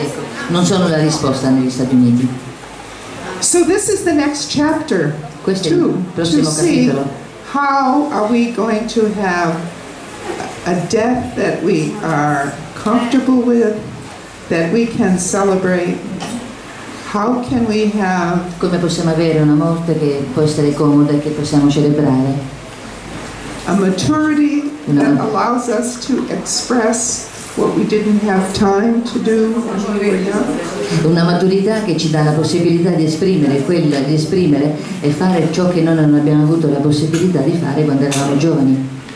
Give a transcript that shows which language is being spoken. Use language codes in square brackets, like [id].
[it] ecco, non sono la risposta negli Stati Uniti. [en] So this is the next chapter. [it] Questo è il prossimo capitolo. [en] How are we going to have a death that we are comfortable with, that we can celebrate? How can we have? [it] Come possiamo avere una morte che può essere comoda e che possiamo celebrare? [en] A maturity that allows us to express what we didn't have time to do. [it] Una maturità che ci dà la possibilità di esprimere quella, di esprimere e fare ciò che noi non abbiamo avuto la possibilità di fare quando eravamo giovani.